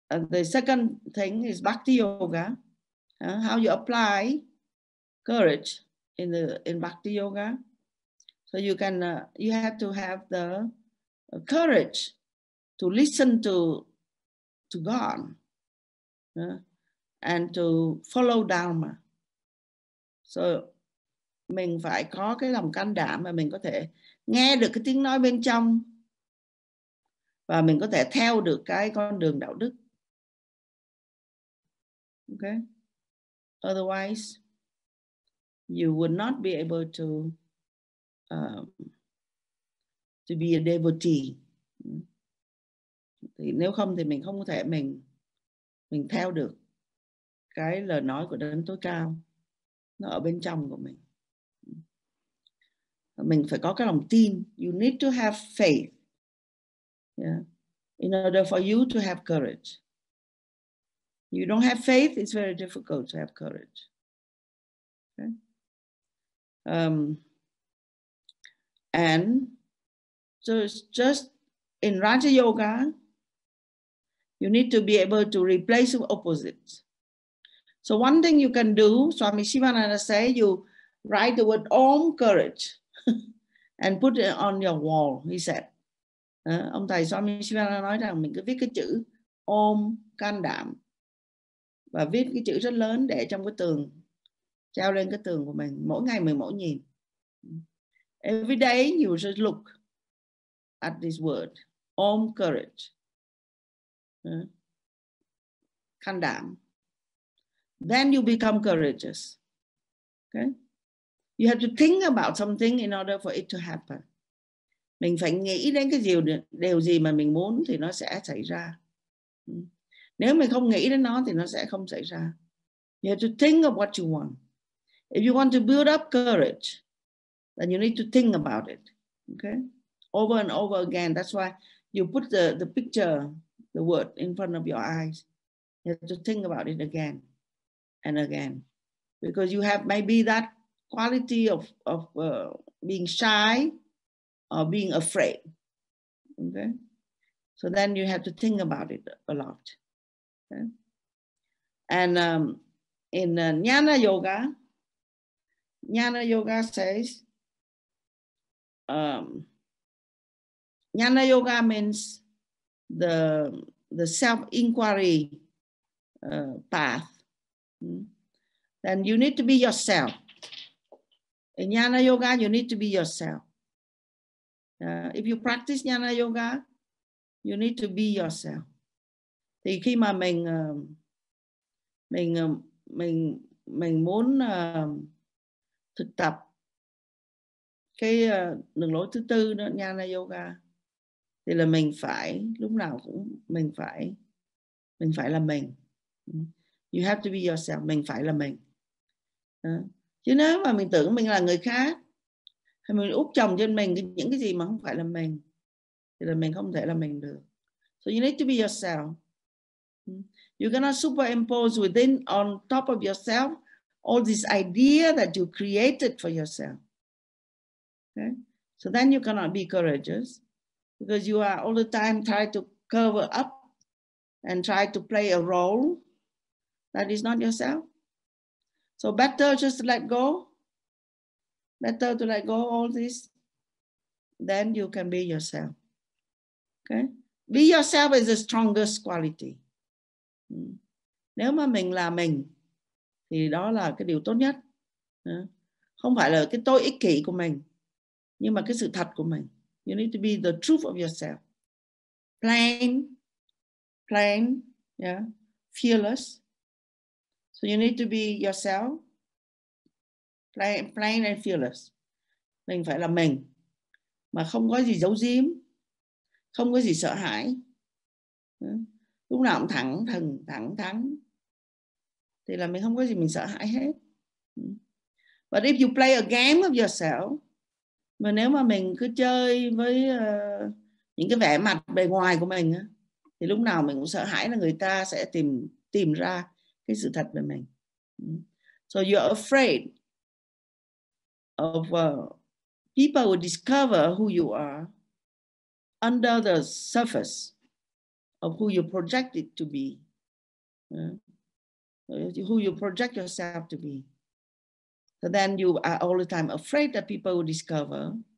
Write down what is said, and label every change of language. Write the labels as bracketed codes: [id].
[en] The second thing is bhakti yoga. How you apply courage in bhakti yoga. So you can you have to have the courage to listen to God and to follow Dharma. [vi] So mình phải có cái lòng can đảm mà mình có thể nghe được cái tiếng nói bên trong và mình có thể theo được cái con đường đạo đức. [en] Okay? Otherwise, you would not be able to be a devotee. [vi] Thì nếu không thì mình không có thể mình theo được cái lời nói của Đấng Tối Cao, nó ở bên trong của mình. Mình phải có cái lòng tin. [en] You need to have faith. Yeah. In order for you to have courage. You don't have faith, it's very difficult to have courage. Okay. And so it's just in Raja Yoga, you need to be able to replace opposites. So one thing you can do, Swami Sivananda say, you write the word Om courage and put it on your wall, he said. [vi] Ông thầy Swami Sivananda nói rằng mình cứ viết cái chữ Om can đảm và viết cái chữ rất lớn để trong cái tường, treo lên cái tường của mình. Mỗi ngày mình mỗi nhìn. [en] Every day you just look at this word, Om courage. [vi] Can đảm. [en] Then you become courageous. Okay? You have to think about something in order for it to happen. [vi] Mình phải nghĩ đến cái điều gì mà mình muốn thì nó sẽ xảy ra. Nếu mình không nghĩ đến nó thì nó sẽ không xảy ra. [en] You have to think of what you want. If you want to build up courage, then you need to think about it. Okay? Over and over again. That's why you put the picture, the word in front of your eyes. You have to think about it again and again, because you have maybe that quality of being shy or being afraid. Okay, so then you have to think about it a lot. Okay, and in Jnana Yoga, Jnana Yoga says, Jnana Yoga means the self-inquiry path. Then you need to be yourself. In Jnana Yoga, you need to be yourself. If you practice Jnana Yoga, you need to be yourself. [vi] Thì khi mà mình muốn thực tập cái đường lối thứ tư đó, Jnana Yoga, thì là mình phải lúc nào cũng mình phải là mình. [en] You have to be yourself. [vi] Mình phải là mình. Chứ nếu mà mình tưởng mình là người khác hay mình úp chồng trên mình những cái gì mà không phải là mình thì là mình không thể là mình được. [en] So you need to be yourself. You cannot superimpose within on top of yourself all this idea that you created for yourself. Okay? So then you cannot be courageous, because you are all the time trying to cover up and try to play a role that is not yourself. So better just let go. Better to let go all this. Then you can be yourself. Okay? Be yourself is the strongest quality. [vi] Nếu mà mình là mình thì đó là cái điều tốt nhất. Không phải là cái tôi ích kỷ của mình, nhưng mà cái sự thật của mình. [en] You need to be the truth of yourself. Plain, yeah, fearless. So you need to be yourself, plain and fearless. [vi] Mình phải là mình, mà không có gì giấu giếm, không có gì sợ hãi. Lúc nào cũng thẳng thừng, thẳng thắn, thì là mình không có gì mình sợ hãi hết. [en] But if you play a game of yourself, [vi] mà nếu mà mình cứ chơi với những cái vẻ mặt bề ngoài của mình, thì lúc nào mình cũng sợ hãi là người ta sẽ tìm ra cái sự thật về mình. [en] So you're afraid of people will discover who you are under the surface of who you projected to be. Who you project yourself to be. So then you are all the time afraid that people will discover.